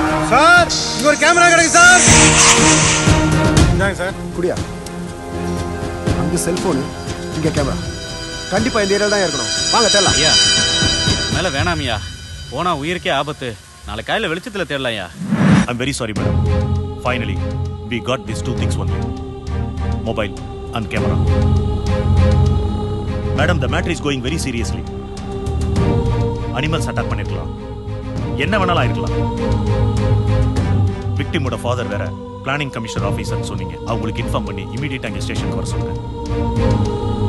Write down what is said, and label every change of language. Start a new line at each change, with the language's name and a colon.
Tamil: Sir, இங்க ஒரு camera கிடைக்கு சார். சார் குடியா, அந்த செல்போன் இங்க கேமரா, கண்டிப்பா இந்த ஏரியால தான் இருக்கணும். வாங்க தேடலாம். ஐயா மேல வேணாமியா, போனா உயிருக்கே ஆபத்து, நாள காலையில வெளிச்சத்துல தேடலாம்.
English: I'm very sorry madam, finally we got these two things only, mobile and camera. Madam, the matter is going very seriously. Animals attack
Tamil: பண்ணிருக்கலாம், என்ன வேணாலும் ஆயிருக்கலாம். விக்டிமோட ஃபாதர் வேற, பிளானிங் கமிஷனர் ஆபீசர் சொன்னீங்க, அவங்களுக்கு இன்ஃபார்ம் பண்ணி இமிடியட்டா அங்க ஸ்டேஷனுக்கு வர சொல்லுங்க.